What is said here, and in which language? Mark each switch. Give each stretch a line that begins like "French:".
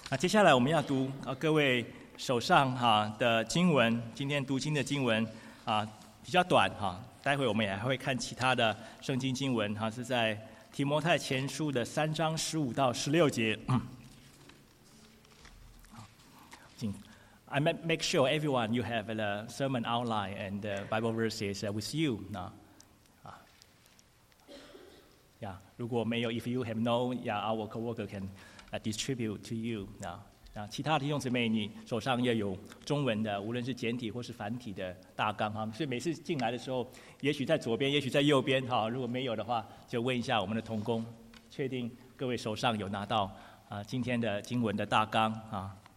Chinese: 接下来我们要读各位手上的经文，今天读经的经文比较短，待会我们也还会看其他的圣经经文，是在提摩太前书的3:15-16。
English: I make sure everyone you have the sermon outline and the Bible verses with you. Yeah,
Chinese: 如果没有
English: if you have no, yeah, our coworker can distribute to you.
Chinese: Now, 其他的弟兄姊妹，你手上要有中文的，无论是简体或是繁体的大纲哈。所以每次进来的时候，也许在左边，也许在右边哈。如果没有的话，就问一下我们的同工，确定各位手上有拿到今天的经文的大纲啊。